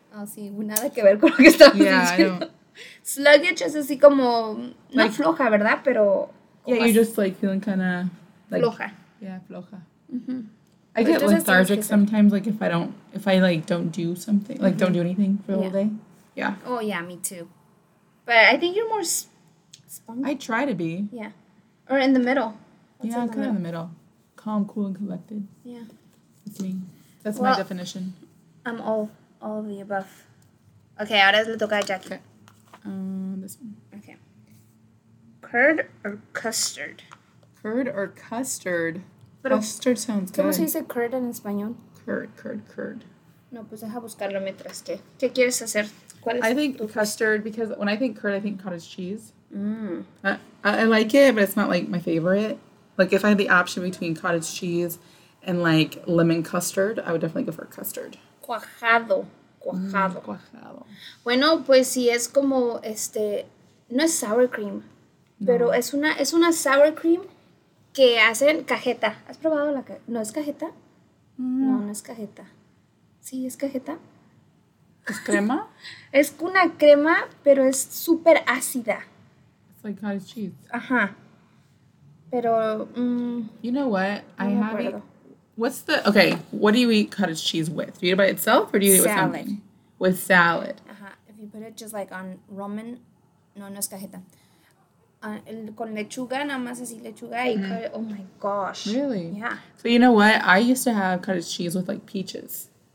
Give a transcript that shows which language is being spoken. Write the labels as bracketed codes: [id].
[es] Sí, nada que ver con lo que estamos diciendo. Sluggish es así como, no like, floja, ¿verdad? Pero... [en] Yeah, [es] así. [en] You're just like feeling kind of... Like, [es] floja. [en] Yeah, floja. Mm-hmm. I get lethargic sometimes, like if I don't do something, like don't do anything for the whole day. Yeah. Oh, yeah, me too. But I think you're more spunky. I try to be. Yeah. Or in the middle. Kind of in the middle. Calm, cool, and collected. Yeah. That's me. That's my definition. I'm all of the above. Okay, [es] ahora le toca a Jackie. [en] Okay. This one. Okay. Curd or custard? Curd or custard? Pero custard sounds good. [es] ¿Cómo se dice curd en español? [en] Curd. [es] No, pues deja buscarlo mientras que. ¿Qué quieres hacer? ¿Cuál es? [en] I think custard, because when I think curd, I think cottage cheese. Mm. I like it, but it's not like my favorite. Like if I had the option between cottage cheese and like lemon custard, I would definitely go for custard. [es] Cuajado. Bueno, pues sí, es como, no es sour cream, pero es una sour cream que hacen cajeta. ¿Has probado la cajeta? ¿No es cajeta? Mm. No, no es cajeta. ¿Sí es cajeta? ¿Es crema? Es una crema, pero es súper ácida. [en] It's like cottage cheese. [es] Ajá. Pero, [en] You know what? What's the, okay, what do you eat cottage cheese with? Do you eat it by itself or do you eat it with something? With salad. Uh-huh. If you put it just like on ramen, [es] no es cajeta. Con lechuga, nada más así lechuga y [en] oh my gosh. Really? Yeah. So you know what? I used to have cottage cheese with like peaches.